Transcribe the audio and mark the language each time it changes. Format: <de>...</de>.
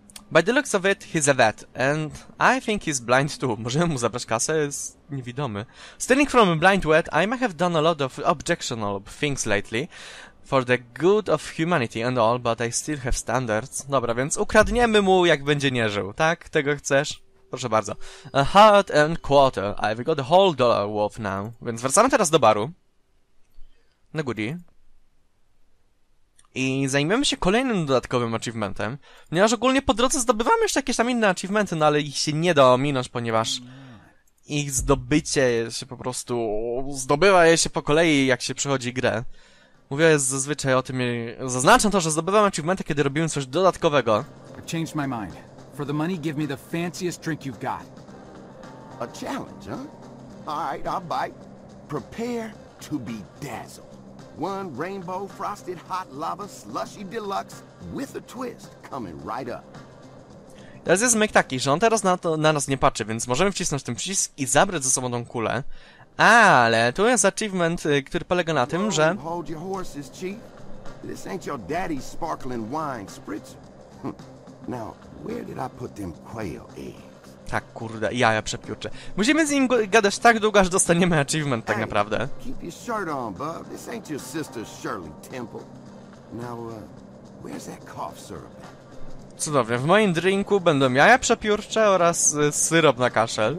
<en>By the looks of it, he's a vet. And I think he's blind too.</en> <pl>Możemy mu zabrać kasę? Jest niewidomy.</pl> <en>Stealing from a blind vet, I may have done a lot of objectionable things lately. For the good of humanity and all, but I still have standards.</en> <pl>Dobra, więc ukradniemy mu, jak będzie nie żył. Tak? Tego chcesz? Proszę bardzo.</pl> <en>A heart and quarter. I've got a whole dollar worth now.</en> <pl>Więc wracamy teraz do baru. Na goodie. I zajmiemy się kolejnym dodatkowym achievementem. Ponieważ ogólnie po drodze zdobywamy jeszcze jakieś tam inne achievementy, no ale ich się nie da ominąć, ponieważ... ich zdobycie się po prostu... zdobywa je się po kolei, jak się przechodzi grę. Mówię zazwyczaj o tym, zaznaczam to, że zdobywam achievementy, kiedy robiłem coś dodatkowego.</pl> <en>I've changed my mind. For the money, give me the fanciest drink you've got. A challenge, huh? Alright, I'll bite. Prepare to be dazzled. One rainbow frosted hot lava slushy deluxe with a twist coming right up.</en> <pl>Teraz jest myk taki, że on teraz na nas nie patrzy, więc możemy wcisnąć ten przycisk i zabrać ze sobą tą kulę. Ale tu jest achievement, który polega na tym, że...</pl> <en>Hold your horses, chief. This ain't your daddy's sparkling wine spritzer. Now, where did I put them quail eggs?</en> <pl>Tak, kurde, jaja przepiórcze. Musimy z nim gadać tak długo, aż dostaniemy achievement tak naprawdę.</pl> <en>Hey, keep your shirt on, bub. This ain't your sister Shirley Temple. Now, where's that cough syrup at?</en> <pl>Cudownie, w moim drinku będą jaja przepiórcze oraz syrop na kaszel.</pl>